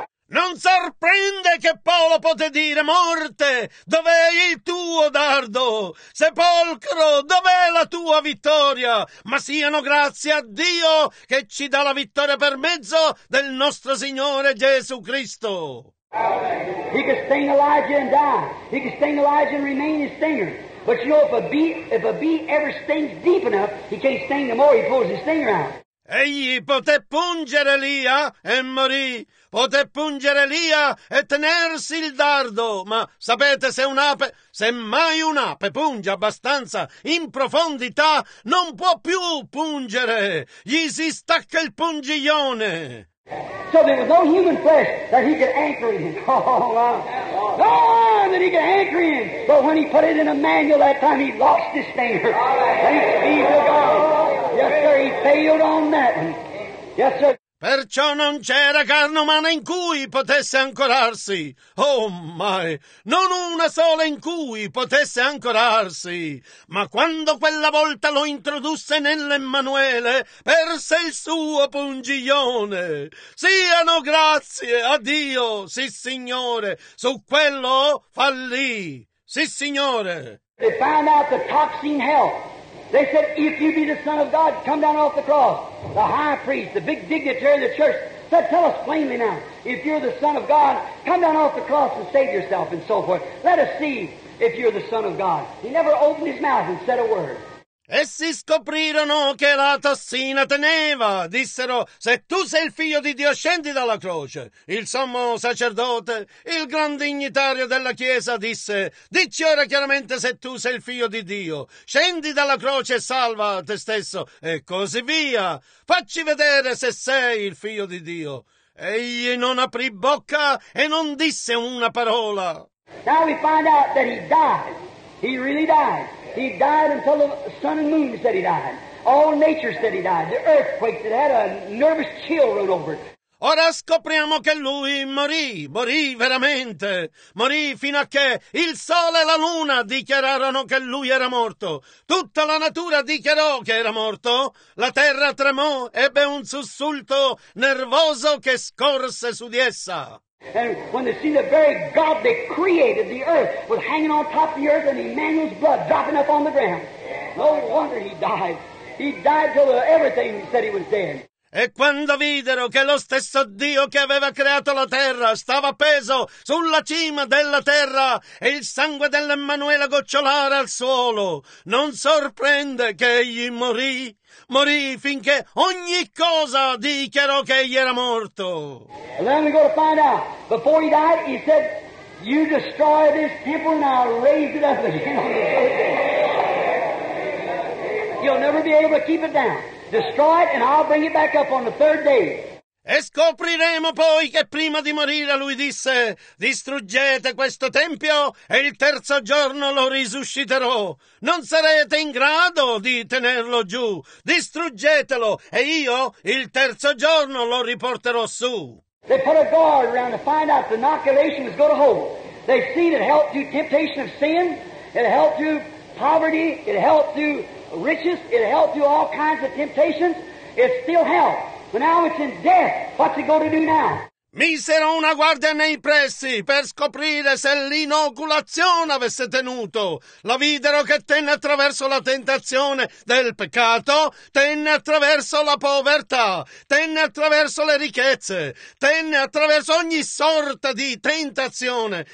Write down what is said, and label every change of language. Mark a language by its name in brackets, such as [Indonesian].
[Italian] Non sorprende che Paolo poté dire, morte, dov'è il tuo dardo? Sepolcro, dov'è la tua vittoria? Ma siano grazie a Dio che ci dà la vittoria per mezzo del nostro Signore Gesù Cristo. [English] He could sting Elijah and die. He could sting Elijah and remain his stinger. But you know, if a bee ever stings deep enough, he can't sting no more, he pulls his stinger out. [Italian] Egli poté pungere Elia e morì. Poté pungere Elia e tenersi il dardo. Ma sapete, se un'ape, se mai un'ape punge abbastanza in profondità, non può più pungere. Gli si stacca il pungiglione. [English] So there was no human flesh that he could anchor in. Oh, wow. No, that he could anchor in. But when he put it in a manual that time, he lost his stinger. Thanks be to God. Yes, sir, he failed on that one. Yes, sir. [Italian] Perciò non c'era carne umana in cui potesse ancorarsi. Oh, mai! Non una sola in cui potesse ancorarsi. Ma quando quella volta lo introdusse nell'Emmanuele, perse il suo pungiglione. Siano grazie a Dio, sì, Signore. Su quello fallì, sì, Signore. [English] They found out the toxin health. They said, if you be the Son of God, come down off the cross. The high priest, the big dignitary of the church, said, tell us plainly now, if you're the Son of God, come down off the cross and save yourself and so forth. Let us see if you're the Son of God. He never opened his mouth and said a word. [Italian] Essi scoprirono che la tossina teneva. Dissero, se tu sei il figlio di Dio, scendi dalla croce. Il sommo sacerdote, il gran dignitario della chiesa, disse, dicci ora chiaramente se tu sei il figlio di Dio. Scendi dalla croce e salva te stesso. E così via. Facci vedere se sei il figlio di Dio. Egli non aprì bocca e non disse una parola. [English] Now we find out that he died. He really died. He died until the sun and moon said he died. All nature said he died. The earth quaked. It had a nervous chill run over it. [Italian] Ora scopriamo che lui morì. Morì veramente. Morì fino a che il sole e la luna dichiararono che lui era morto. Tutta la natura dichiarò che era morto. La terra tremò, ebbe un sussulto nervoso che scorse su di essa. [English] And when they see the very God that created the earth was hanging on top of the earth and Emmanuel's blood dropping up on the ground. No wonder he died. He died till everything said he was dead. [Italian] E quando videro che lo stesso Dio che aveva creato la terra stava appeso sulla cima della terra e il sangue dell'Emmanuele gocciolare al suolo, non sorprende che egli morì. Morì finché ogni cosa dichiarò che egli era morto. [English] And then we go to find out. Before he died, he said, "You destroy this temple and I'll raise it up again." You'll never be able to keep it down. Destroy it and I'll bring it back up on the third day. [Italian] E scopriremo poi che prima di morire lui disse: distruggete questo tempio e il terzo giorno lo risusciterò. Non sarete in grado di tenerlo giù. Distruggetelo e io il terzo giorno lo riporterò su. [English] They put a guard around to find out the inoculation is going to hold. They see that it helped through temptation of sin, it helped through poverty, it helped through riches, it helped through all kinds of temptations, it still helped. But now it's in death. What's it going to do now? [Italian] Misero una guardia nei pressi per scoprire se l'inoculazione avesse tenuto. La videro che tenne attraverso la tentazione del peccato, tenne attraverso la povertà, tenne attraverso le ricchezze, tenne attraverso ogni sorta di tentazione.